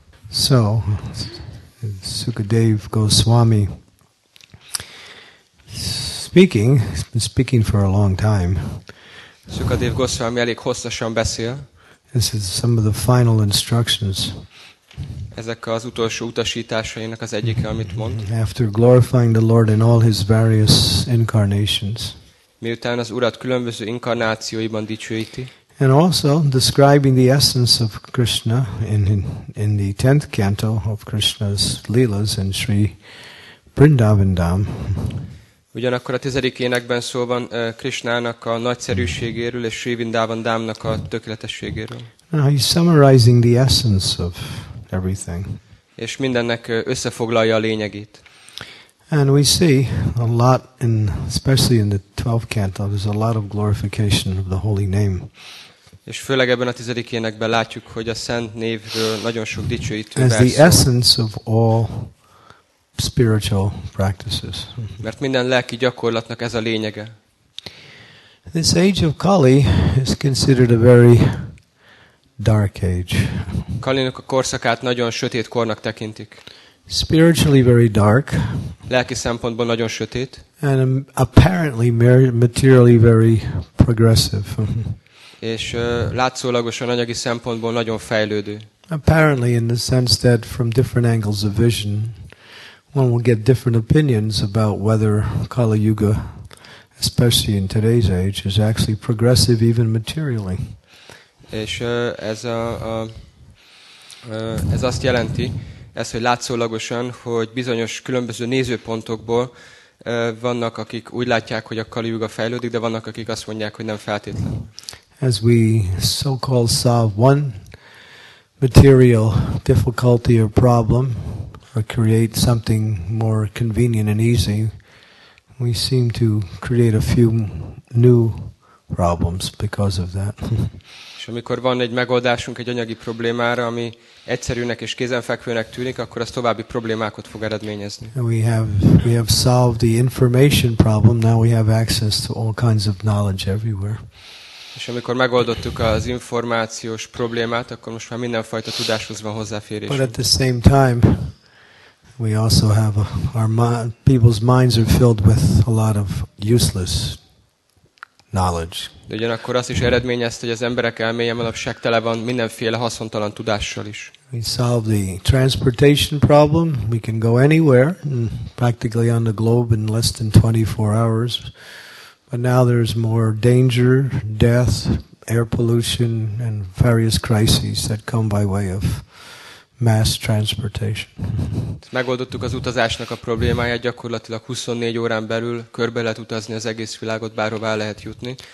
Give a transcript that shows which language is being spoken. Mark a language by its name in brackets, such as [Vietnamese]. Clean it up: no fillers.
[English] So, Sukadev Goswami speaking, he's been speaking for a long time. [Hungarian] Sukadev Goswami elég hosszasan beszél. [English] This is some of the final instructions. [Hungarian] Ezek az utolsó utasításainak az egyike, amit mond. [English] After glorifying the Lord in all his various incarnations. [Hungarian] Miután az Urat különböző inkarnációiban dicsőíti. [English] And also describing the essence of Krishna in the 10th canto of Krishna's Leelas in Sri Vrindavanam. [Hungarian] Ugyanakkor a 10. énekben szó van Krishnának a nagyszerűségéről és Sri Vrindavanamnak a tökéletességéről. [English] Now he's summarizing the essence of everything. [Hungarian] És mindennek összefoglalja a lényegét. [English] And we see a lot in, especially in the 12th canto, there's a lot of glorification of the holy name. [Hungarian] És főleg ebben a 10. énekben látjuk, hogy a szent névről nagyon sok dicsőítő beszél. [English] As the essence of all spiritual practices. [Hungarian] Mert minden lelki gyakorlatnak ez a lényege. [English] This age of Kali is considered a very dark age. [Hungarian] Kalinak a korszakát nagyon sötét kornak tekintik. [English] Spiritually very dark. [Hungarian] Lelki szempontból nagyon sötét. [English] And apparently materially very progressive. [Hungarian] És látszólagosan anyagi szempontból nagyon fejlődő. [English] Apparently in the sense that from different angles of vision, one will get different opinions about whether Kali Yuga, especially in today's age, is actually progressive even materially. [Hungarian] És ez azt jelenti, ez, hogy látszólagosan, hogy bizonyos különböző nézőpontokból vannak, akik úgy látják, hogy a Kali Yuga fejlődik, de vannak, akik azt mondják, hogy nem feltétlen. [English] As we so-called solve one material difficulty or problem, or create something more convenient and easy, we seem to create a few new problems because of that. [Hungarian] És amikor van egy megoldásunk egy anyagi problémára, ami egyszerűnek és kézenfekvőnek tűnik, akkor az további problémákat fog eredményezni. [English] We have solved the information problem, now we have access to all kinds of knowledge everywhere. [Hungarian] És amikor megoldottuk az információs problémát, akkor most már mindenfajta tudáshoz van hozzáférés. [English] But at the same time, we also have people's minds are filled with a lot of useless knowledge. [Hungarian] De ugyanakkor azt is eredményezte, hogy az emberek elméje manapság tele van mindenféle haszontalan tudással is. [English] We solve the transportation problem. We can go anywhere, practically on the globe, in less than 24 hours. But now there's more danger, death, air pollution, and various crises that come by way of mass transportation. [Hungarian] Megoldottuk az utazásnak a problémáját, gyakorlatilag 24 órán belül körbe lehet utazni az egész világot, bárhová lehet jutni.